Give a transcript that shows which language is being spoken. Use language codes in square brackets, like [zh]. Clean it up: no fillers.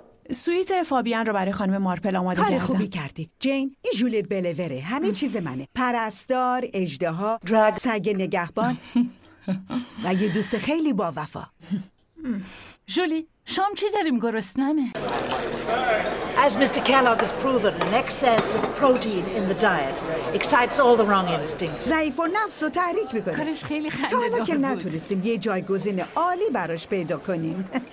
[fa] سویت فابیان رو برای خانم مارپل آماده کردم. کار خوبی کردی جین. این جولیت بلوره، همه چیز منه. پرستار، اژدها، دراگ، سگ نگهبان و یه دوست خیلی با وفا. جولی، شام چی داریم گرسنه‌مه؟ [en] As Mr. Kellogg has proven, an excess of protein in the diet excites all the wrong instincts. [fa] ضعیف و نفس رو تحریک میکنه. کارش خیلی خنده‌دار بود. تا حالا که نتونستیم یه جایگزین عالی براش پیدا کنیم.